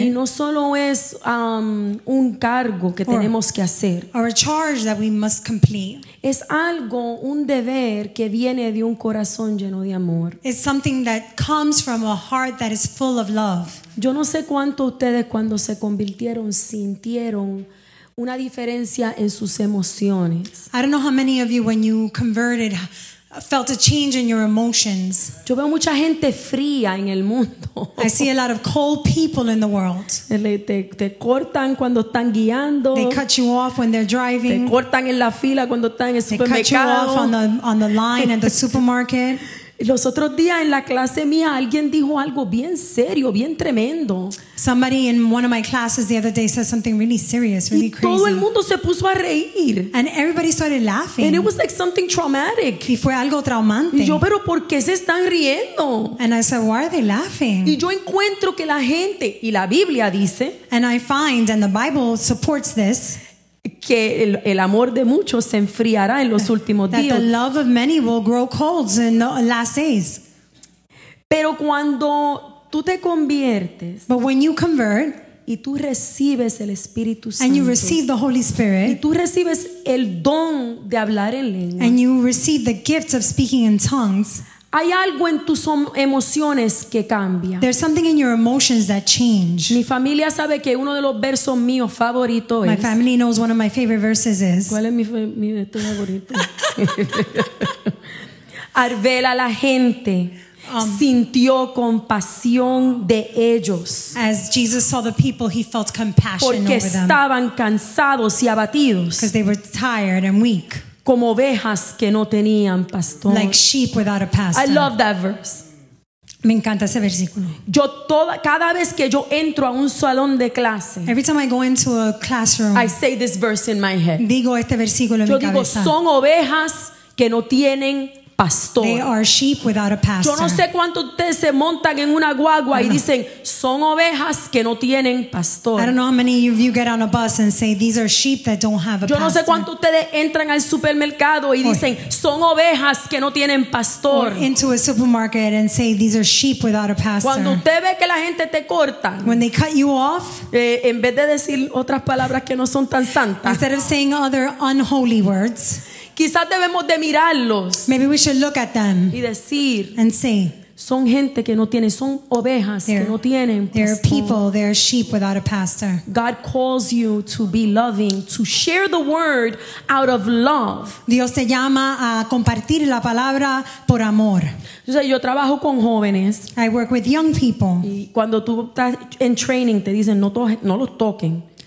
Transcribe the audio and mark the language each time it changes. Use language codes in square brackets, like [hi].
[es] Y no solo es un cargo que tenemos que hacer. [en] Or a charge that we must complete. [es] Es algo, un deber que viene de un corazón lleno de amor. [en] It's something that comes from a heart that is full of love. [es] Yo no sé cuánto ustedes cuando se convirtieron sintieron una diferencia en sus emociones. [en] I don't know how many of you when you converted felt a change in your emotions. [es] Yo veo mucha gente fría en el mundo. [en] I see a lot of cold people in the world. [es] Te cortan cuando están guiando. [en] They cut you off when they're driving. [es] Te cortan en la fila cuando están en el supermercado. [en] They cut you off on the line at the supermarket. [es] Los otros días en la clase mía alguien dijo algo bien serio, bien tremendo. [en] Somebody in one of my classes the other day said something really serious, really crazy. [es] Y todo el mundo se puso a reír. [en] And everybody started laughing. And it was like something traumatic. [es] Y fue algo traumante. Y yo, pero ¿por qué se están riendo? [en] And I said, why are they laughing? [es] Y yo encuentro que la gente y la Biblia dice. [en] And I find, and the Bible supports this. [es] Que el amor de muchos se enfriará en los últimos días. [en] That the love of many will grow cold in the last days. [es] Pero cuando tú te conviertes, [en] but when you convert, [es] y tú recibes el Espíritu Santo, [en] and you receive the Holy Spirit, [es] y tú recibes el don de hablar en lengua, [en] and you receive the gift of speaking in tongues, [es] hay algo en tus emociones que cambia. [en] There's something in your emotions that change. [es] Mi familia sabe que uno de los versos míos favoritos es. [en] My family knows one of my favorite verses is. [es] ¿Cuál es mi verso favorito? Arvel a la gente sintió compasión de ellos. [en] As Jesus saw the people, he felt compassion over them. [es] Porque estaban cansados y abatidos. [en] Because they were tired and weak. [es] Como ovejas que no tenían pastor. [en] Like sheep without a pastor. I love that verse. [es] Me encanta ese versículo. Yo toda cada vez que yo entro a un salón de clase. [en] Every time I go into a classroom. I say this verse in my head. [es] Digo este versículo en yo mi digo, cabeza. Yo digo son ovejas que no tienen pastor. [en] They are sheep without a pastor. [es] Yo no sé cuántos de ustedes se montan en una guagua y dicen son ovejas que no tienen pastor. [en] I don't know how many of you get on a bus and say these are sheep that don't have a pastor. [es] Yo no sé cuántos de ustedes entran al supermercado y dicen son ovejas que no tienen pastor. [en] Or into a supermarket and say these are sheep without a pastor. [es] Cuando usted ve que la gente te corta, [en] when they cut you off, [es] en vez de decir otras palabras que no son tan santas, [en] instead of saying other unholy words. [es] Quizás debemos de mirarlos. [en] Maybe we should look at them. [es] Y decir. [en] And say. [es] Son gente que no tienen, son ovejas que no tienen pastor. [en] They're people, they're sheep without a pastor. God calls you to be loving, to share the word out of love. [es] Dios te llama a compartir la palabra por amor. Yo trabajo con jóvenes. [en] I work with young people. [es] Y cuando tú estás en training te dicen no los toquen.